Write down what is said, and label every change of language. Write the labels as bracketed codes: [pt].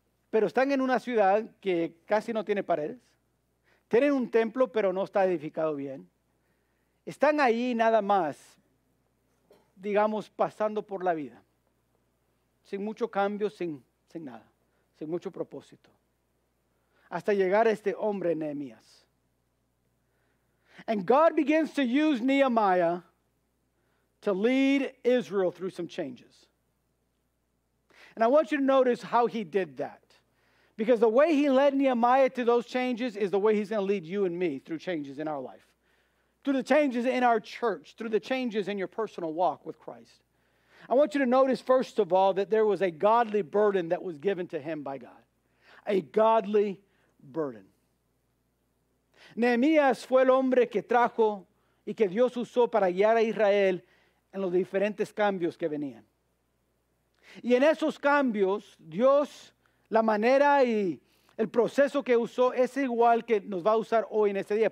[es] Pero están en una ciudad que casi no tiene paredes. Tienen un templo, pero no está edificado bien. Están ahí nada más, digamos, pasando por la vida. Sin mucho cambio, sin nada. Sin mucho propósito. Hasta llegar a este hombre, Nehemías. [en] And God begins to use Nehemiah to lead Israel through some changes. And I want you to notice how he did that. Because the way he led Nehemiah to those changes is the way he's going to lead you and me through changes in our life. Through the changes in our church. Through the changes in your personal walk with Christ. I want you to notice, first of all, that there was a godly burden that was given to him by God. A godly burden. [es] Nehemías fue el hombre que trajo y que Dios usó para guiar a Israel en los diferentes cambios que venían. Y en esos cambios, Dios, la manera y el proceso que usó es igual que nos va a usar hoy en este día.